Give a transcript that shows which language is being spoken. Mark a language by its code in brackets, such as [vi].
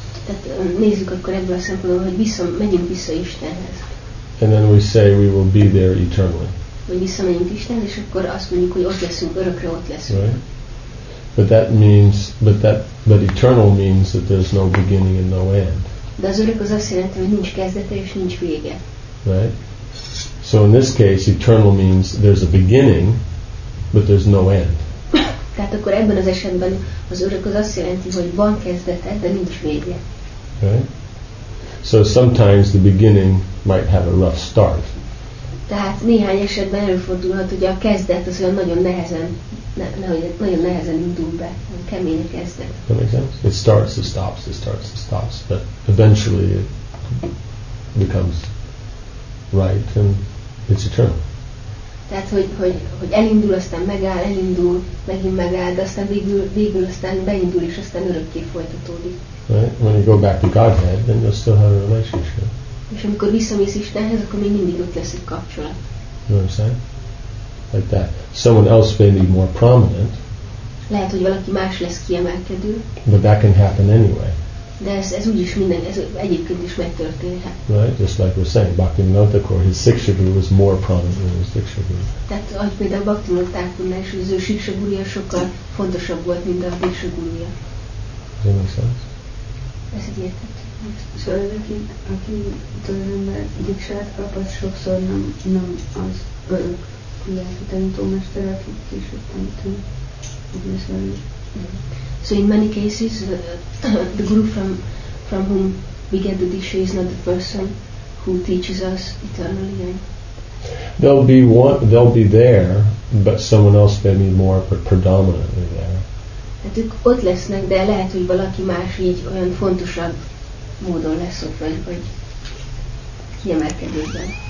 [hu] Tehát nézzük akkor ebből a szempontból, hogy menjünk vissza Istenhez. [en] And then we say we will be there eternally. [hu] Hogy visszamegyünk Istenhez, és akkor azt mondjuk, hogy ott leszünk, örökre ott leszünk. [en] Right? But eternal means that there's no beginning and no end. [hu] De az örök az azt jelenti, hogy nincs kezdete és nincs vége. [en] Right? So in this case, eternal means there's a beginning, but there's no end. [hu] Tehát akkor ebben az esetben az örök az azt jelenti, hogy van kezdete, de nincs vége. [en] So sometimes the beginning might have a rough start. [hu] Tehát néhány esetben előfordulhat, hogy a kezdet az olyan nagyon nehezen, nagyon nehezen indul be, kemény a kezdet. [en] That makes sense. It starts, it stops, it starts, it stops, but eventually it becomes right and it's eternal. [hu] Tehát, hogy elindul, aztán megáll, elindul, megint megáll, de aztán végül aztán beindul, és aztán örökké folytatódik. [en] Right? When you go back to Godhead, then you'll still have a relationship. [hu] És amikor visszamész Istenhez, akkor még mindig ott lesz egy kapcsolat. [en] You know what I'm saying? Like that. Someone else may be more prominent. [hu] Lehet, hogy valaki más lesz kiemelkedő. [en] But that can happen anyway. [hu] De ez úgyis minden, ez egyébként is megtörténhet. [en] Right, just like we're saying, Bhaktivinoda Kaur, his Siksha Guru was more prominent than his Diksha Guru. [hu] Tehát, ahogy például Bhaktivinoda Thakurnál is, az ő Siksha Guruja sokkal fontosabb volt, mint a Diksha Guruja. [en] Does that make sense? [hu] Ez egy értető. Szóval aki tulajdonképpen Diksát kap, az sokszor nem az örök lelki tanítómester, aki később tanító. [en] So in many cases, the guru from whom we get the diksha is not the person who teaches us eternally. They'll be there, but someone else may be more predominantly there. [hu] Hát ők ott lesznek, de lehet, hogy valaki más így olyan fontosabb módon lesz ott, vagy kiemelkedőben.